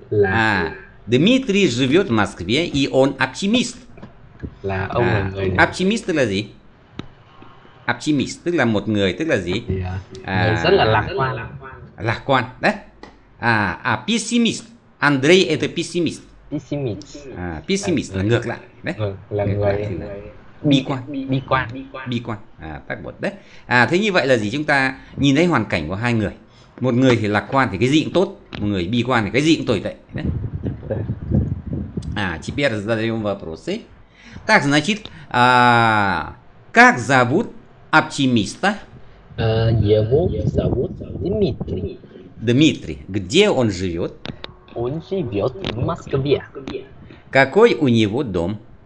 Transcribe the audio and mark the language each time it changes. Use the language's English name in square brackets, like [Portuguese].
[Russian] Да? Дмитрий живет в Москве и он оптимист. [Vietnamese] là ông là người Optimist tức là gì? Optimist tức là một người, tức là gì? Rất là lạc quan. Lạc quan đấy. [English] Pessimist. Andre is the pessimist. Pessimist. [Vietnamese] Pessimist là ngược lại đấy. Là người bi quan. Tác bột đấy. Thế như vậy là gì? Chúng ta nhìn thấy hoàn cảnh của hai người. Một người thì lạc quan thì cái gì cũng tốt, một người bi quan thì cái gì cũng tồi tệ đấy. [Russian] Теперь задаем вопросы. Так, значит, как зовут оптимиста? Его зовут Дмитрий. Дмитрий. Где он живет? Он живет в Москве. Какой у него дом?